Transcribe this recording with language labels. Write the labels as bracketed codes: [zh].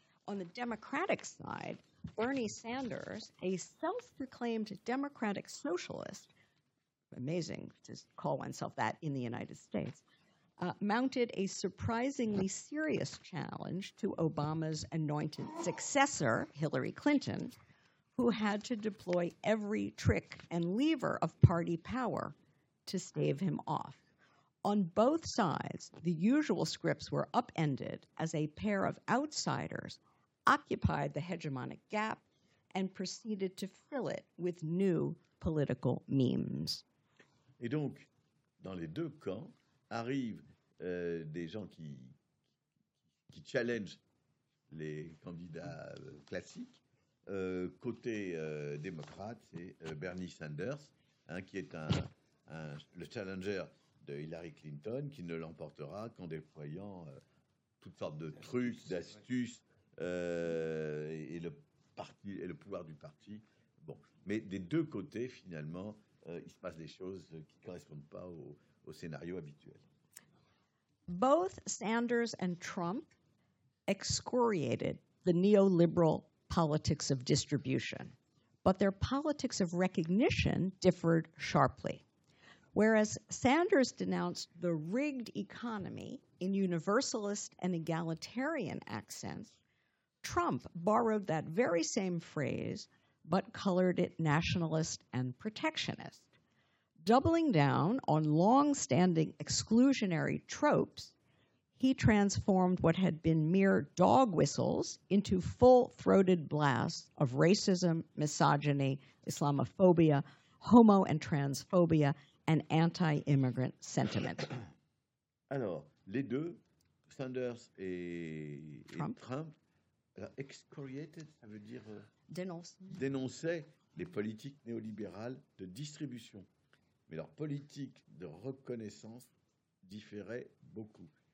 [en] On the Democratic side, Bernie Sanders, a self-proclaimed Democratic socialist, amazing to call oneself that in the United States, mounted a surprisingly serious challenge to Obama's anointed successor, Hillary Clinton, who had to deploy every trick and lever of party power to stave him off. On both sides, the usual scripts were upended as a pair of outsiders occupied the hegemonic gap and proceeded to fill it with new political memes. [fr] Et donc, dans les deux camps, arrivent des gens qui challengent les candidats classiques. Côté démocrate, c'est Bernie Sanders, hein, qui est le challenger de Hillary Clinton, qui ne l'emportera qu'en déployant toutes sortes de trucs, d'astuces, et le pouvoir du parti. Bon. Mais des deux côtés, finalement, il se passe des choses qui ne correspondent pas au scénario habituel. [en] Both Sanders and Trump excoriated the neoliberal politics of distribution, but their politics of recognition differed sharply. Whereas Sanders denounced the rigged economy in universalist and egalitarian accents, Trump borrowed that very same phrase, but colored it nationalist and protectionist. Doubling down on long-standing exclusionary tropes, he transformed what had been mere dog whistles into full-throated blasts of racism, misogyny, Islamophobia, homo and transphobia, and anti-immigrant sentiment. [fr] Alors, les deux, Sanders et Trump excoriated, ça veut dire dénonçaient les politiques néolibérales de distribution. Mais leur politique de reconnaissance différait beaucoup.